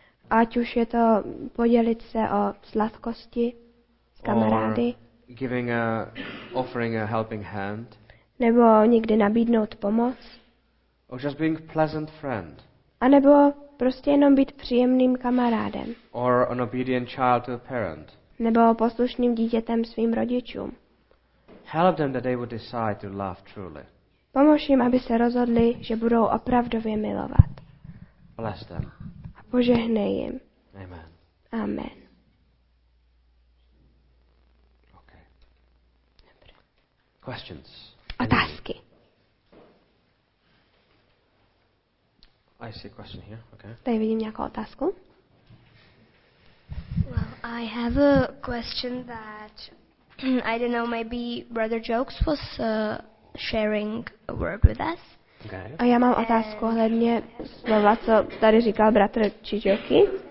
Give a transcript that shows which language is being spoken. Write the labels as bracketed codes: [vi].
[cs] Ať už je to podělit se o sladkosti s kamarády. [en] Or giving a, offering a helping hand. [cs] Nebo někdy nabídnout pomoc. [en] Or just being pleasant friend. [cs] A nebo prostě jenom být příjemným kamarádem. [en] Or an obedient child to a parent. [cs] Nebo poslušným dítětem svým rodičům. [en] Help them that they would decide to love truly. [cs] Pomož jim, aby se rozhodli, že budou opravdově milovat. [en] Bless them. [cs] A požehnej jim. [en] Amen. [cs] Amen. [en] Okay. Questions. [cs] Otázky. [en] I see a question here. Okay. [cs] Tady vidím nějakou otázku. [en] Well, I have a question that I don't know, maybe Brother Jokes was sharing a word with us. [cs] Okay. A já mám otázku ohledně slova, co tady říkal bratr Čičoky.